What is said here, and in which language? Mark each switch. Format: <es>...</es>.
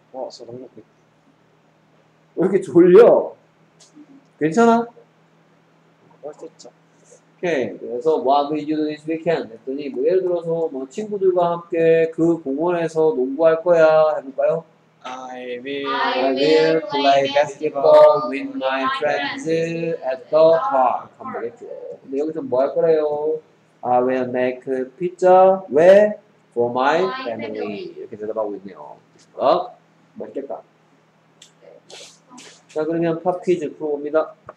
<ko>저 너무 왜 이렇게 졸려? 괜찮아? 멋있죠. 오케이. 그래서</ko> <en>What will you do this weekend?</en> <ko>했더니 뭐 예를 들어서 뭐 친구들과 함께 그 공원에서 농구할 거야 해볼까요?</ko> <en>I will play basketball with my friends at the park.</en> <ko>한번 해줘. 근데 여기서 뭐 할 거래요?</ko> <en>I will make pizza where? For my family.</en> <ko>이렇게 대답하고 있네요. 어? 멋있겠다. 자 그러면 팝 퀴즈 풀어봅니다.</ko>